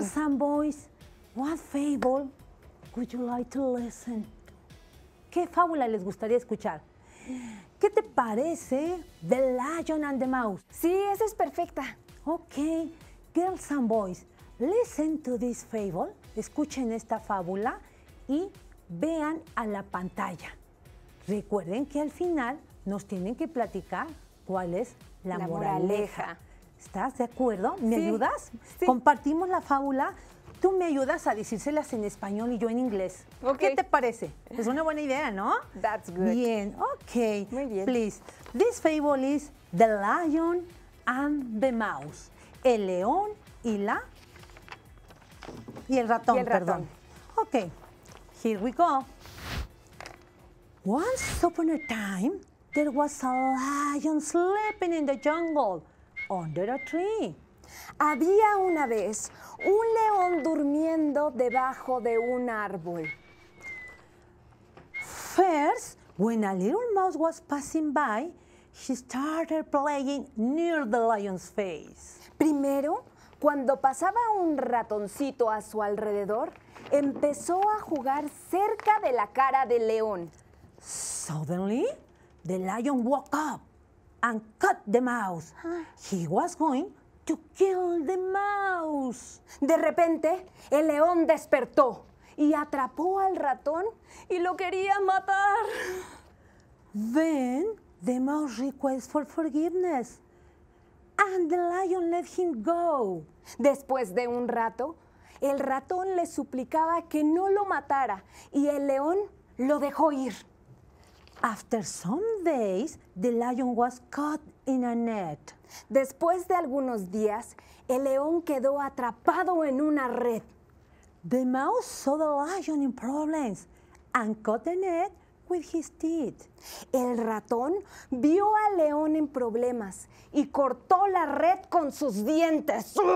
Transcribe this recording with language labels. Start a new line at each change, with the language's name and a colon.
English: Girls and boys, what fable would you like to listen?
Spanish: ¿Qué fábula les gustaría escuchar? ¿Qué te parece The Lion and the Mouse? Sí, esa es perfecta.
English: Ok, girls and boys, listen to this fable.
Spanish: Escuchen esta fábula y vean a la pantalla. Recuerden que al final nos tienen que platicar cuál es la moraleja. ¿Estás de acuerdo? ¿Me ayudas? Sí. Compartimos la fábula. Tú me ayudas a decírselas en español y yo en inglés. Okay. ¿Qué te parece? Es una buena idea, ¿no?
English: That's good.
Spanish: Bien, ok. Muy bien.
English: Please. This fable is The Lion and the Mouse.
Spanish: El león y la... Y el ratón.
English: Ok, here we go. Once upon a time, there was a lion sleeping in the jungle under a tree.
Spanish: Había una vez un león durmiendo debajo de un árbol.
English: First, when a little mouse was passing by, he started playing near the lion's face.
Spanish: Primero, cuando pasaba un ratoncito a su alrededor, empezó a jugar cerca de la cara del león.
English: Suddenly, the lion woke up and cut the mouse. He was going to kill the mouse.
Spanish: De repente, el león despertó y atrapó al ratón y lo quería matar.
English: Then, the mouse requests for forgiveness. And the lion let him go.
Spanish: Después de un rato, el ratón le suplicaba que no lo matara y el león lo dejó ir.
English: After some days, the lion was caught in a net.
Spanish: Después de algunos días, el león quedó atrapado en una red.
English: The mouse saw the lion in problems and caught the net with his teeth.
Spanish: El ratón vio al león en problemas y cortó la red con sus dientes.